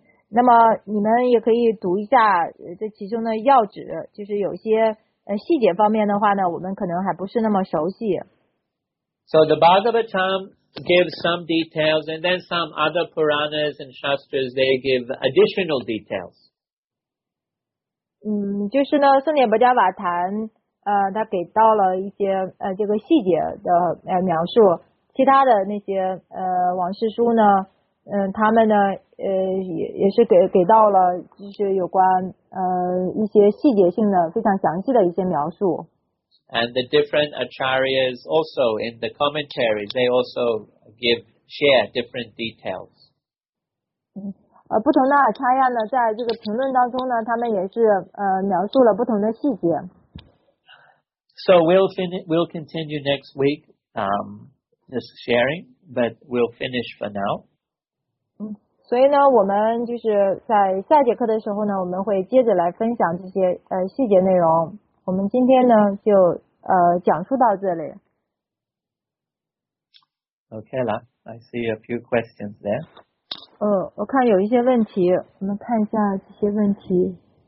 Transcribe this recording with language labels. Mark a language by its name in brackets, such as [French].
[Chinese] 那么你们也可以读一下这其中的要旨，就是有些细节方面的话呢，我们可能还不是那么熟悉。 [English] So the Bhagavatam gives some details, and then some other Puranas and Shastras they give additional details. [Chinese] 就是呢，僧典薄伽瓦坛，他给到了一些这个细节的描述，其他的那些往事书呢。他们呢，也是给到了，就是有关一些细节性的、非常详细的一些描述。 [English] And the different acharyas also in the commentaries, they also share different details. [Chinese] 不同的 acharya 呢，在这个评论当中呢，他们也是描述了不同的细节。 [English] So we'll continue next week, this sharing, but we'll finish for now. [Chinese] 所以呢，我们就是在下节课的时候呢，我们会接着来分享这些细节内容。我们今天呢，就讲述到这里。 [English] Okay, la. I see a few questions there. [Chinese] 我看有一些问题，我们看一下这些问题。